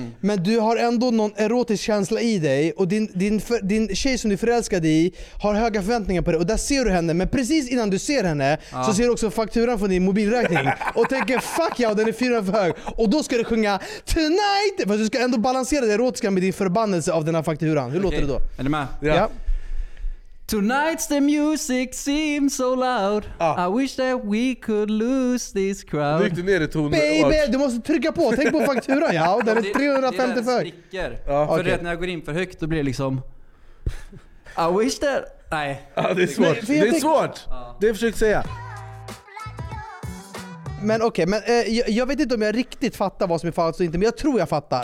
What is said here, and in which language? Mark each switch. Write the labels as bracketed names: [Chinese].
[Swedish] Men du har ändå någon erotisk känsla i dig. Och din tjej som du förälskade i har höga förväntningar på dig. Och där ser du henne, men precis innan du ser henne så ser du också fakturan från din mobilräkning. Och tänker, fuck ja, den är 4 för hög. Och då ska du sjunga tonight. För du ska ändå balansera det erotiska med din förbannelse av den här fakturan. Hur låter det då? Är du med? Ja. [English] Tonight's the music seems so loud. I wish that we could lose this crowd. [Swedish] Du gick ner i tonen. Baby, du måste trycka på. Tänk på fakturan. Ja, den är 350 för. Det är för att när jag går in för högt, då blir det liksom... [English] I wish that... Nej. [Swedish] Ja, det är svårt. Men, det är svårt. Ja. Det försöker säga. Men okej, okay, men jag vet inte om jag riktigt fattar vad som är falskt och inte, men jag tror jag fattar.